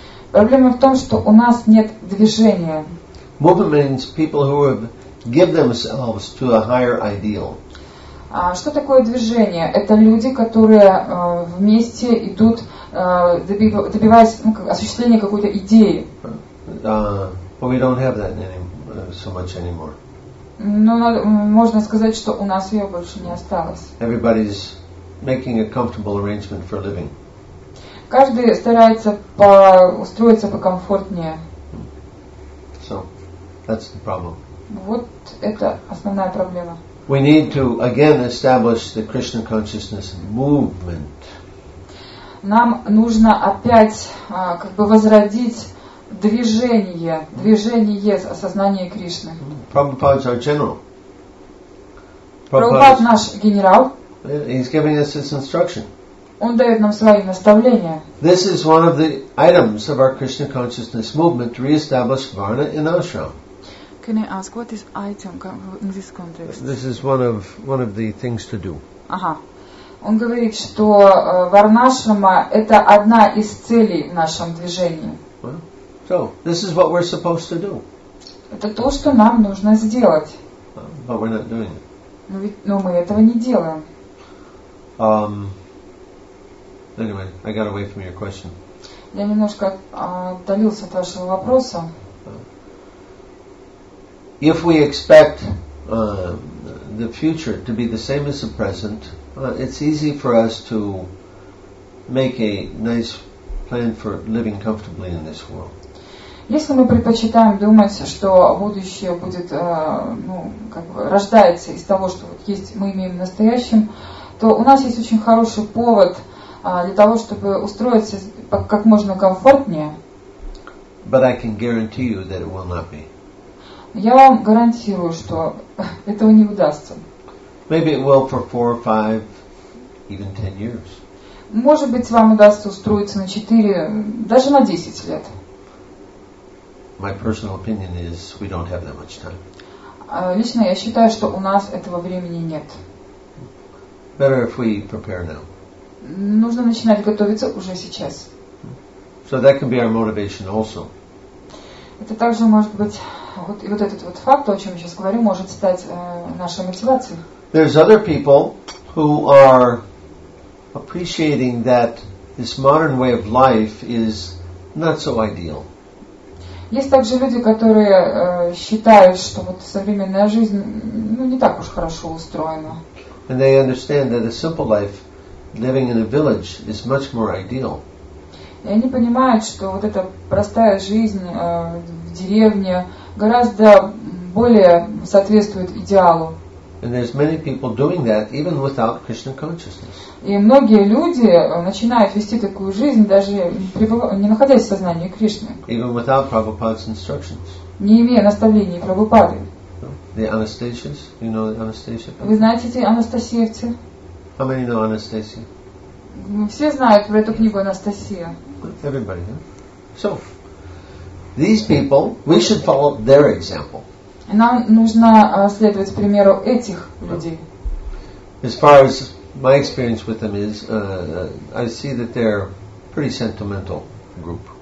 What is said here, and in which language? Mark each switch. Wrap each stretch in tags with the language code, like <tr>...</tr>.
<ru>Проблема в том, что у нас нет движения.</ru> <en>Movement means people who have given themselves to a higher ideal.</en> <ru>Что такое движение? Это люди, которые вместе идут, добиваясь осуществления какой-то идеи.</ru> <en>But we don't have that so much anymore.</en> <ru>Но можно сказать, что у нас ее больше не осталось.</ru> <en>Everybody's making a comfortable arrangement for living.</en> <ru>Каждый старается устроиться покомфортнее.</ru> <en>So, that's the problem.</en> <ru>Вот это основная проблема.</ru> <en>We need to again establish the Krishna consciousness movement.</en> <ru>Нам нужно опять как бы возродить движение осознания Кришны.</ru> <en>Prabhupada's our general.</en> <ru>Prabhupada наш генерал.</ru> <en>He's giving us his instruction.</en> <ru>Он дает нам свои наставления.</ru> <en>This is one of the items of our Krishna consciousness movement to reestablish Varna in Ashram. Can I ask what is item in this context? This is one of the things to do.</en> <ru>Ага. Он говорит, что Варнашрама это одна из целей в нашем движении.</ru> <en>Well, so this is what we're supposed to do.</en> <ru>Это то, что нам нужно сделать.</ru> <en>But we're not doing it.</en> <ru>Но мы этого не делаем.</ru> <en>Anyway, I got away from your question.</en> <ru>Я немножко отдалился от вашего вопроса.</ru> <en>If we expect the future to be the same as the present, it's easy for us to make a nice plan for living comfortably in this world.</en> <ru>Если мы предпочитаем думать, что будущее будет, ну, как бы рождается из того, что вот есть, мы имеем в настоящем, то у нас есть очень хороший повод для того, чтобы устроиться как можно комфортнее.</ru> <en>But I can guarantee you that it will not be.</en> <ru>Я вам гарантирую, что этого не удастся.</ru> <en>Maybe it will for 4, 5, even 10 years.</en> <ru>Может быть, вам удастся устроиться на 4, даже на 10 лет.</ru> <en>My personal opinion is we don't have that much time.</en> <ru>Лично я считаю, что у нас этого времени нет.</ru> <en>Better if we prepare now.</en> <ru>Нужно начинать готовиться уже сейчас.</ru> <en>So that can be our motivation also.</en> <ru>Это также может быть, вот, и вот этот вот факт, о чем я сейчас говорю, может стать нашей мотивацией.</ru> <en>There's other people who are appreciating that this modern way of life is not so ideal.</en> <ru>Есть также люди, которые считают, что вот современная жизнь, ну, не так уж хорошо устроена.</ru> <en>And they understand that a simple life living in a village is much more ideal.</en> <ru>И они понимают, что вот эта простая жизнь в деревне гораздо более соответствует идеалу.</ru> <en>And there's many people doing that even without Krishna consciousness.</en> <ru>И многие люди начинают вести такую жизнь, даже не находясь в сознании Кришны.</ru> <en>Even without Prabhupada's instructions.</en> <ru>Не имея наставлений Прабхупады.</ru> <en>The Anastasias, you know the Anastasias?</en> <ru>Вы знаете эти Анастасиевцы?</ru> <en>How many know Anastasia?</en> <ru>Все знают про эту книгу Анастасия.</ru> <en>Everybody, yeah? So, these people, we should follow their example.</en> <ru>Нам нужно следовать примеру этих людей.</ru> <en>As far as my experience with them is, I see that they're a pretty sentimental group.</en>